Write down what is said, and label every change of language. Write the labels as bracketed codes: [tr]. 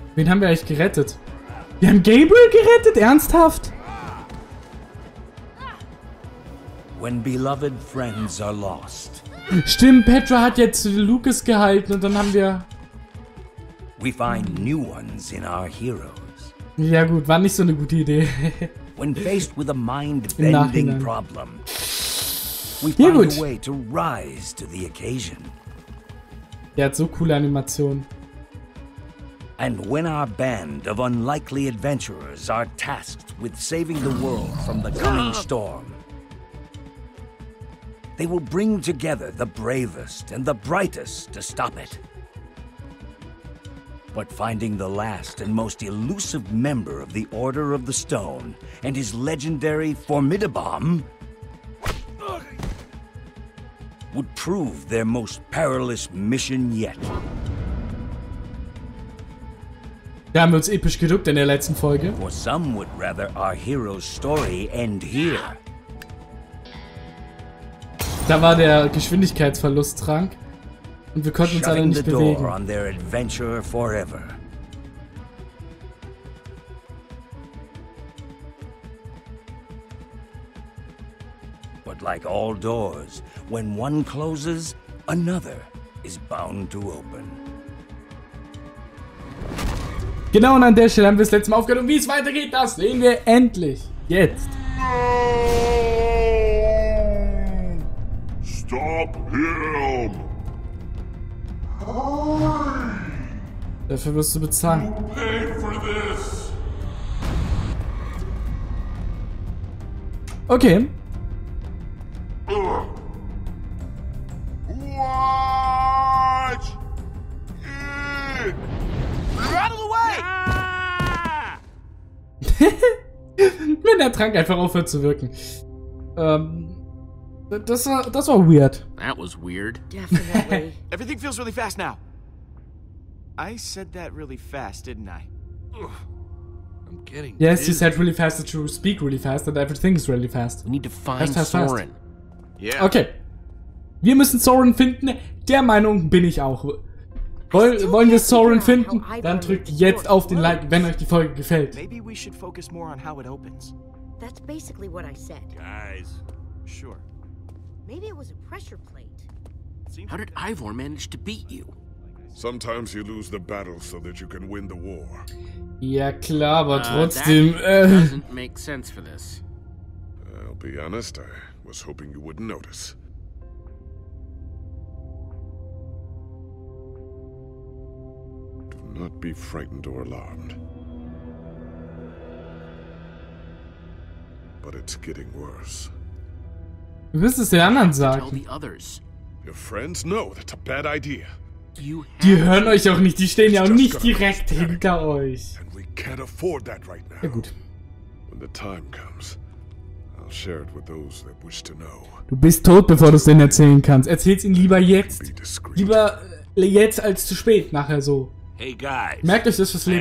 [de] Wen haben wir eigentlich gerettet? Wir haben Gabriel gerettet? Ernsthaft? [en] When beloved friends are lost. [de] Stimmt, Petra hat jetzt Lucas gehalten und dann haben wir... [en] We find new ones in our heroes. [de] Ja gut, war nicht so eine gute Idee. [en] When faced with a mind-bending problem, we find a way to rise to the occasion. [de] Der hat so coole Animationen. [en] And when our band of unlikely adventurers are tasked with saving the world from the coming storm, they will bring together the bravest and the brightest to stop it. But finding the last and most elusive member of the Order of the Stone and his legendary Formidabomb would prove their most perilous mission yet. [de] Da haben wir uns episch geduckt in der letzten Folge. [en] For some would rather our hero's story end here. [de] Da war der Geschwindigkeitsverlust Trank. Und wir konnten uns alle nicht bewegen. [en] Their adventure forever. But like all doors, when one closes, another is bound to open. [de] Genau, und an der Stelle haben wir das letzte Mal aufgehört. Und wie es weitergeht, das sehen wir endlich jetzt. [en] Stop him! [de] Dafür wirst du bezahlen. [en] You pay for this. Okay. Watch it. You're out of the way. Ah! [de] Wenn der Trank einfach aufhört zu wirken. Das war weird. [en] That was weird. Definitely. Everything feels really fast now. I said that really fast, didn't I? Ugh. I'm kidding. Yes, you said really fast that you speak really fast and everything is really fast. We need to find Sauron. Yeah. Okay. [de] Wir müssen Sauron finden. Der Meinung bin ich auch. Wollen wir Sauron finden? Dann drückt jetzt auf den Like, wenn euch die Folge gefällt. [en] Maybe we should focus more on how it opens. That's basically what I said. Guys. Sure. Maybe it was a pressure plate. How did Ivor manage to beat you? Sometimes you lose the battle so that you can win the war. [de] Ja klar, aber trotzdem. [en] That doesn't make sense for this. I'll be honest, I was hoping you wouldn't notice. Not be frightened or alarmed. But it's getting worse. [de] Du wirst es den anderen sagen. [en] Your friends? No, that's a bad idea. [de] Die hören euch auch nicht, die stehen ja auch nicht direkt hinter euch. [en] And we can't afford that right now. [de] Ja gut. [en] When the time comes, I'll share it with those that wish to know. [de] Du bist tot, bevor du es denen erzählen kannst. Erzähl's ihnen lieber jetzt. Lieber jetzt als zu spät, nachher so. [en] Hey guys, [de] merkt euch das fürs Leben,